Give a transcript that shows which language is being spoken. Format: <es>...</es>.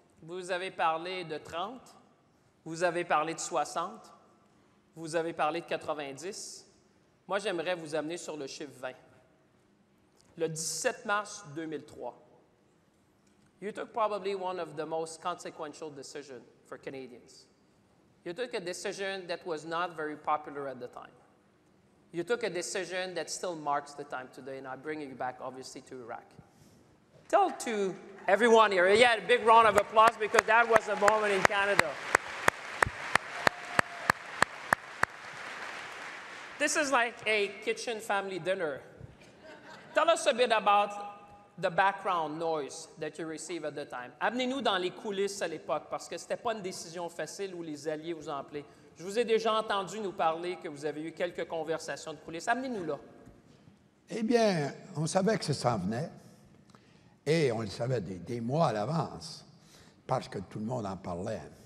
<fr>Vous avez parlé de 30, vous avez parlé de 60, vous avez parlé de 90. Moi, j'aimerais vous amener sur le chiffre 20. Le 17 mars 2003,</fr> <en>you took probably one of the most consequential decisions for Canadians. You took a decision that was not very popular at the time. You took a decision that still marks the time today, and I'm bringing you back, obviously, to Iraq. Tell to everyone here, a big round of applause, because that was a moment in Canada. This is like a kitchen family dinner. Tell us a bit about the background noise that you receive at the time.</en> <fr>Amenez-nous dans les coulisses à l'époque, parce que ce n'était pas une décision facile où les alliés vous en plaient. Je vous ai déjà entendu nous parler que vous avez eu quelques conversations de coulisses. Amenez-nous là. Eh bien, on savait que ça s'en venait, et on le savait des mois à l'avance, parce que tout le monde en parlait.</fr>